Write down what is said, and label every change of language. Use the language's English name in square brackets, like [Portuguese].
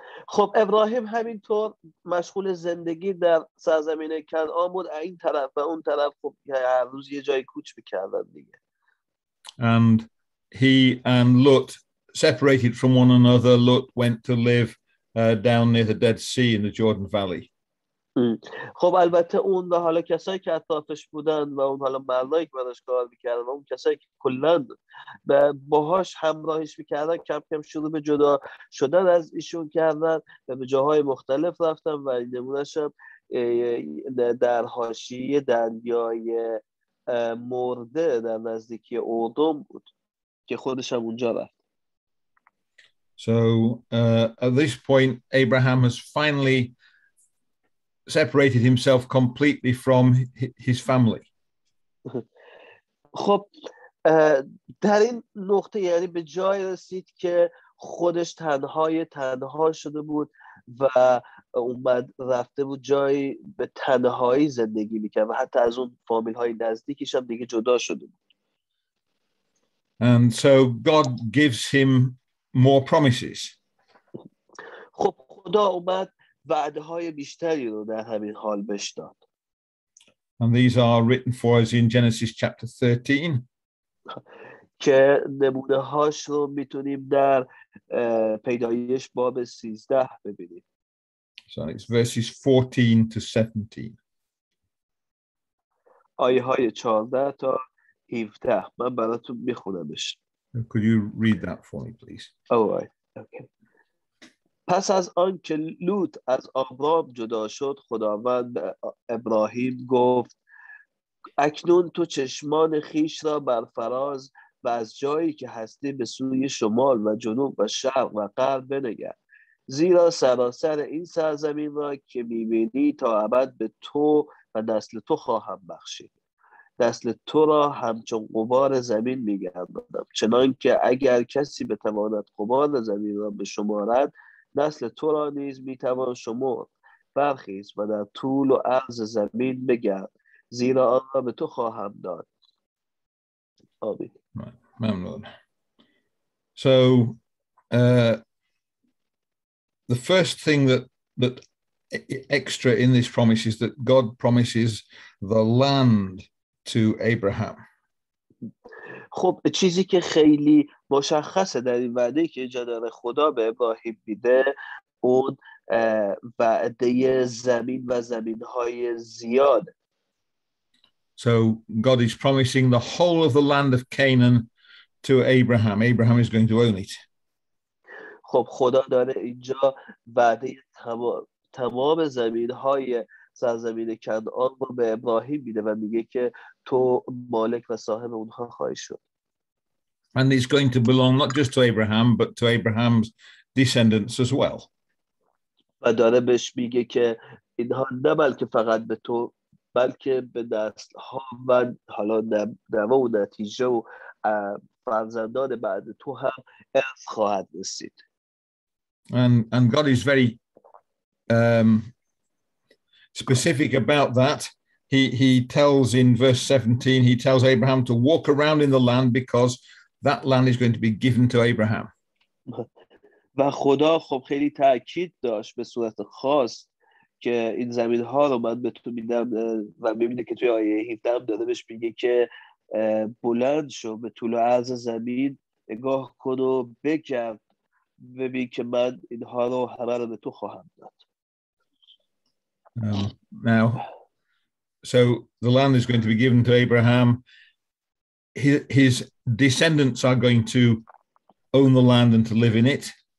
[Persian] خب ابراهیم همینطور مشغول زندگی در سرزمین کنعان بود، این طرف و اون طرف، خب هر روز یه جای کوچ می‌کردن دیگه. [English] And he and Lot separated from one another. Lot went to live down near the Dead Sea in the Jordan Valley. [Persian] خب البته اون و حالا کسایی که اطرافش بودن و اون حالا مردایی که براش کار میکردن و اون کسایی که کلن باهاش همراهش میکردن کم کم شروع به جدا شدن از ایشون کردن و به جاهای مختلف رفتن و نمونشم در حاشیه دریای مرده در نزدیکی اردن بود که خودش هم اونجا رفت. [English] So at this point, Abraham has finally separated himself completely from his family. [Persian] خب در این نقطه یعنی به جای رسید که خودش تنهای تنها شده بود و اومد رفته بود جای به تنهایی زندگی میکرد و حتی از اون فامیل های نزدیکیش هم دیگه جدا شده بود. [English] And so God gives him more promises. [Persian] خب خدا اومد وعده های بیشتری رو در همین حال بهش داد. [English] And these are written for us in Genesis chapter 13. [Persian] که نمونه هاش رو میتونیم در پیدایش باب 13 ببینیم. [English] So it's verses 14 to 17. [Persian] آیه های 14 تا 17 من براتون میخونمش. [English] Could you read that for me, please? All right. Okay. [Persian] پس از آن که لوط از آبرام جدا شد، خداوند ابراهیم گفت: اکنون تو چشمان خیش را بر فراز و از جایی که هستی به سوی شمال و جنوب و شرق و غرب بنگر، زیرا سراسر این سرزمین را که می‌بینی تا ابد به تو و نسل تو خواهم بخشید. نسل تو را همچون غبار زمین می‌گردانم، چنان که اگر کسی بتواند غبار زمین را بشمارد، نسل تو را نیز می‌توان شمرد. برخیز و در طول و عرض زمین بگرد، زیرا آن را به تو خواهم داد. آمین. ممنون. [English] So the first thing that extra in this promise is that God promises the land to Abraham. [Persian] خب چیزی که خیلی مشخصه در این وعده که اینجا داره خدا به ابراهیم میده اون وعده زمین و زمین‌های زیاد. [English] So God is promising the whole of the land of Canaan to Abraham. Abraham is going to own it. [Persian] خب خدا داره اینجا وعده تمام زمین‌های سرزمین کنعان رو به ابراهیم میده و میگه که تو مالک و صاحب اونها خواهی شد. [English] And it's going to belong not just to Abraham but to Abraham's descendants as well. [Persian] و داره بهش میگه که اینها نه بلکه فقط به تو بلکه به نسل ها و حالا نوه و نتیجه و فرزندان بعد تو هم ارث خواهد رسید. [English] And God is very specific about that. He tells in verse 17, he tells Abraham to walk around in the land because that land is going to be given to Abraham. [Persian] و خدا خب خیلی تاکید داشت به صورت خاص که این زمین ها رو من به تو میدم و میبینه که توی آیه 17 داره بهش میگه که بلند شو به طول و عرض زمین نگاه کن و بگرد ببین که من اینها رو همه رو به تو خواهم داد. [English] Now, so the land is going to be given to Abraham. His descendants are going to own the land and to live in it.